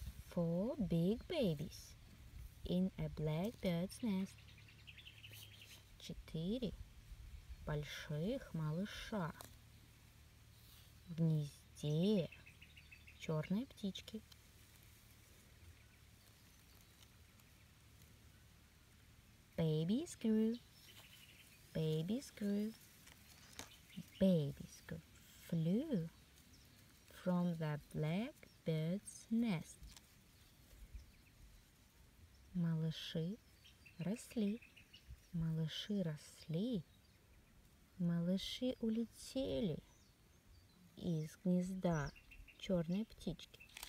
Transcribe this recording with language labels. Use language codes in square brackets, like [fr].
[en] Four big babies in a blackbird's nest. [ru] Четыре больших малыша в гнезде черной птички. [en] Babies grew, babies grew, babies grew, flew from the blackbird's nest. [ru] Малыши росли, малыши росли, малыши улетели из гнезда черной птички.